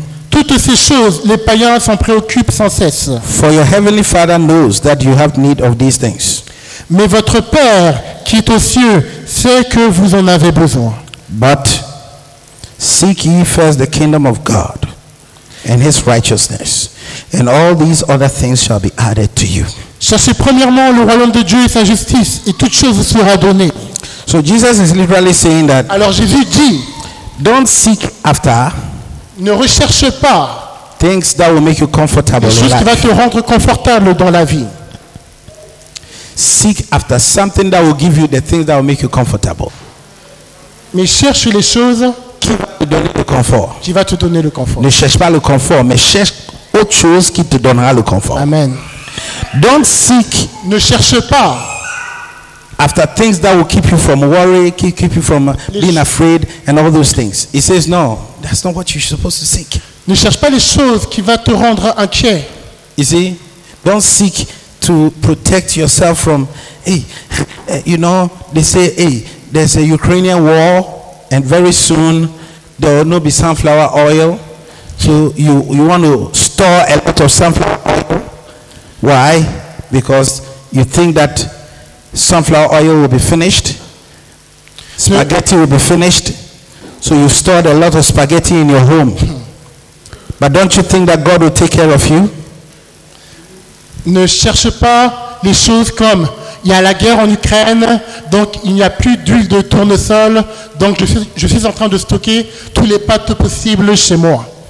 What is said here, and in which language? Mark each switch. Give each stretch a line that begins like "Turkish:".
French: Toutes ces choses, les païens s'en préoccupent sans cesse.
English: For your heavenly Father knows that you have need of these things.
French: Mais votre Père qui est aux cieux sait que vous en avez besoin.
English: But seek ye first the kingdom of God and his righteousness, and all these other things shall be added to you.
French: Cherchez premièrement le royaume de Dieu et sa justice, et toute chose sera donnée.
English: So Jesus is literally saying that.
French: Alors Jésus dit,
English: don't seek after.
French: Ne recherche pas.
English: Things that will make you comfortable.
French: Chose qui va te rendre confortable dans la vie.
English: Seek after something that will give you the things that will make you comfortable.
French: Mais cherche les choses qui va te donner le confort. Qui va te donner le confort. Ne cherche pas le confort, mais cherche autre chose qui te donnera le confort. Amen.
English: Don't seek.
French: Ne cherche pas
English: after things that will keep you from worry, keep you from being afraid and all those things. He says no, that's not what you're supposed to seek.
French: Ne cherche pas les choses qui va te rendre inquiet.
English: You see, don't seek to protect yourself from, hey, you know, they say, hey, there's a Ukrainian war, and very soon there will not be sunflower oil. So you want to store a lot of sunflower oil. Why? Because you think that sunflower oil will be finished, spaghetti will be finished, so you stored a lot of spaghetti in your home. But don't you think that God will take care of you?
French: Ne cherche pas les choses comme il y a la guerre en Ukraine, donc il n'y a plus d'huile de tournesol, donc je suis en train de stocker tous les pâtes possibles chez moi.